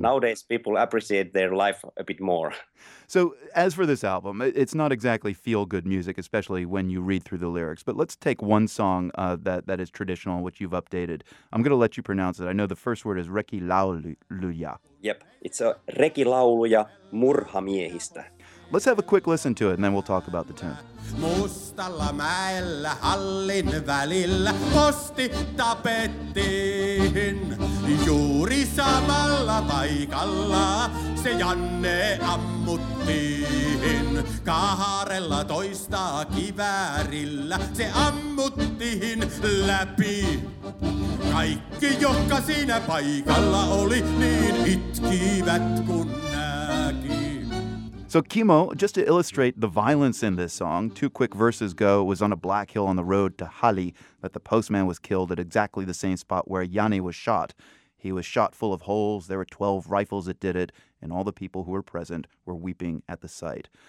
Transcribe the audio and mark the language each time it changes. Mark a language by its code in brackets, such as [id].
[en] Nowadays, people appreciate their life a bit more. So as for this album, it's not exactly feel-good music, especially when you read through the lyrics. But let's take one song that is traditional, which you've updated. I'm going to let you pronounce it. I know the first word is Rekilauluja. Yep. It's a Rekilauluja murhamiehistä. Let's have a quick listen to it, and then we'll talk about the tune. [fi] Mustalla mäellä hallin välillä posti tapettiin. Juuri samalla paikalla se Janne ammuttiin. 12 kiväärillä se ammuttiin läpi. Kaikki, jotka siinä paikalla oli, niin itkivät kun näki. [en] So Kimo, just to illustrate the violence in this song, two quick verses go, it was on a black hill on the road to Hali that the postman was killed at exactly the same spot where Yanni was shot. He was shot full of holes, there were 12 rifles that did it, and all the people who were present were weeping at the sight.